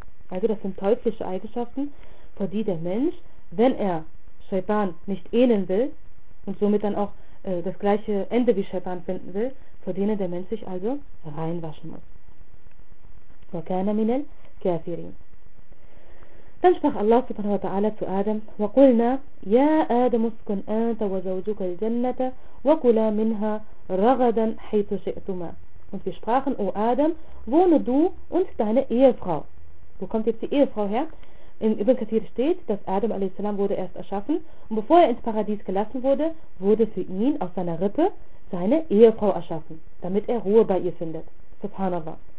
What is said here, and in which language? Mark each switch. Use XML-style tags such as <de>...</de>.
<de>Also das sind teuflische Eigenschaften, vor die der Mensch, wenn er Shaitan nicht ähneln will und somit dann auch das gleiche Ende wie Shaitan finden will, vor denen der Mensch sich also reinwaschen muss.</de> <ar>Wa kana minal kafirin.</ar> <de>Dann sprach Allah subhanahu wa ta'ala zu Adam:</de> <ar>وَقُلْنَا يَا آدَمُ اسْكُنْ أَنْتَ وَزَوْجُكَ الْجَنَّةَ وَكُلَا مِنْهَا رَغَدًا حَيْثُ شِئْتُمَا.</ar> <de>Und wir sprachen: O Adam, wohne du und deine Ehefrau. Wo kommt jetzt die Ehefrau her? In Ibn Kathir steht, dass Adam a.s. wurde erst erschaffen, und bevor er ins Paradies gelassen wurde, wurde für ihn aus seiner Rippe seine Ehefrau erschaffen, damit er Ruhe bei ihr findet. Subhanallah.</de>